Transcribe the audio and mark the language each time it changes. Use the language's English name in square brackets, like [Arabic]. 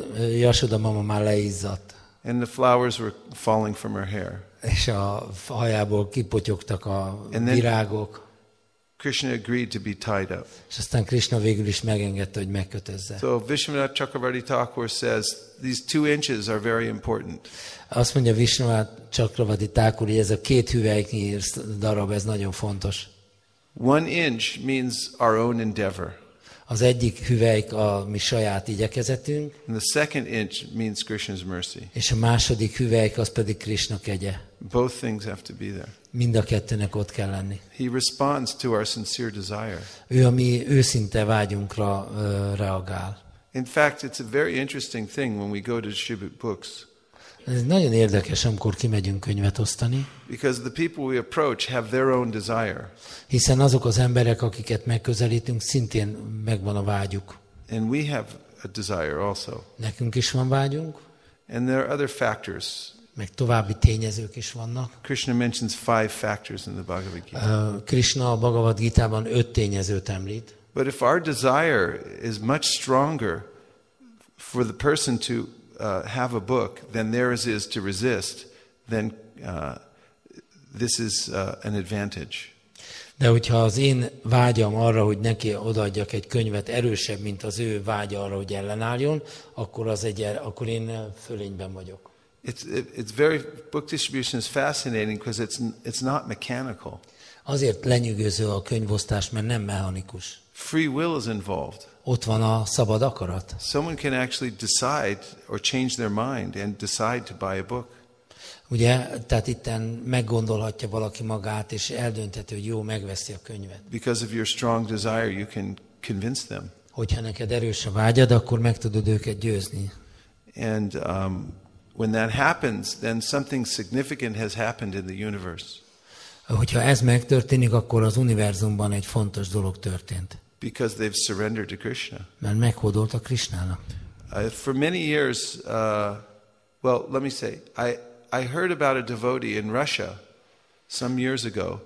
[Hungarian] Yashoda mama már leizzadt. [English] And the flowers were falling from her hair. [Hungarian] És a hajából kipotyogtak a virágok. [English] Krishna agreed to be tied up. [Hungarian] És aztán Krishna végül is megengedte, hogy megkötözze. [English] So Vishwanath Chakravarti Thakur says these 2 inches are very important. [Hungarian] Azt mondja Vishwanath Chakravarti Thakur, hogy ez a két hüvelyknyi darab, ez nagyon fontos. [English] 1 inch means our own endeavor. [Hungarian] Az egyik hüvelyk a mi saját igyekezetünk. [English] And the second inch means Krishna's mercy. [Hungarian] És a második hüvelyk az pedig Krishna kegye. [English] Both things have to be there. [Hungarian] Mind a kettőnek ott kell lenni. [English] He responds to our sincere desire. [Hungarian] Ő a mi őszinte vágyunkra reagál. [English] In fact, it's a very interesting thing when we go to distribute books. [Hungarian] Ez nagyon érdekes, amikor kimegyünk könyvet osztani. [English] Because the people we approach have their own desire. [Hungarian] Hiszen azok az emberek, akiket megközelítünk, szintén megvan a vágyuk. [English] And we have a desire also. [Hungarian] Nekünk is van vágyunk. [English] And there are other factors. [Hungarian] Meg további tényezők is vannak. [English] Krishna mentions 5 factors in the Bhagavad Gita. [Hungarian] Krishna a Bhagavad Gitában 5 tényezőt említ. [English] But if our desire is much stronger for the person to have a book than theirs is to resist, then this is an advantage. [Hungarian] De hogyha az én vágyam arra, hogy neki odaadjak egy könyvet, erősebb, mint az ő vágya arra, hogy ellenálljon, akkor én fölényben vagyok. [English] It's very book distribution is fascinating because it's not mechanical. [Hungarian] Azért lenyűgöző a könyvosztás, mert nem mechanikus. [English] Free will is involved. [Hungarian] Ott van a szabad akarat. [English] Someone can actually decide or change their mind and decide to buy a book. [Hungarian] Ugye, tehát itten meggondolhatja valaki magát és eldöntheti, hogy jó, megveszi a könyvet. [English] Because of your strong desire, you can convince them. [Hungarian] Hogyha neked erős a vágyad, akkor meg tudod őket győzni. [English] And when that happens, then something significant has happened in the universe. [Hungarian] Hogyha ez megtörténik, akkor az univerzumban egy fontos dolog történt. [English] Because they've surrendered to Krishna. [Hungarian] Mert meghódolt a Krishnának. [English] For many years, let me say, I heard about a devotee in Russia some years ago.